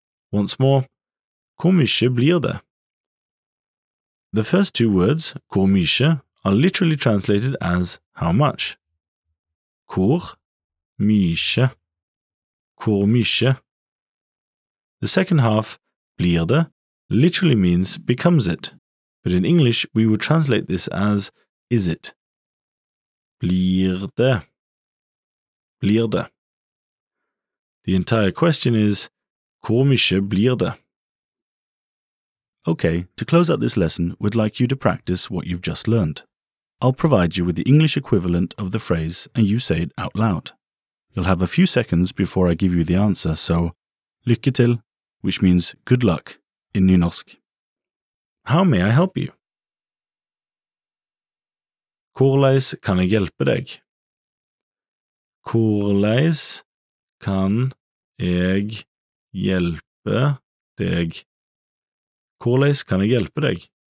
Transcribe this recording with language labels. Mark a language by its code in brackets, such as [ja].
[en] Once more, [no] hvor mye blir det? [en] The first two words, [no] hvor mye, [en] are literally translated as how much. [no] Hvor mye. [en] The second half, [no] blir det, [en] literally means becomes it. But in English, we would translate this as is it. [no] Blir det. Blir det. [en] The entire question is, [no] hvor mye blir det? [en] Okay, to close out this lesson, we'd like you to practice what you've just learned. I'll provide you with the English equivalent of the phrase, and you say it out loud. You'll have a few seconds before I give you the answer, so [no] lykke til, [en] which means good luck in Nynorsk. How may I help you? [no] Hvordan kan jeg hjelpe deg? Hvordan kan jeg hjelpe deg? Hvordan kan jeg hjelpe deg?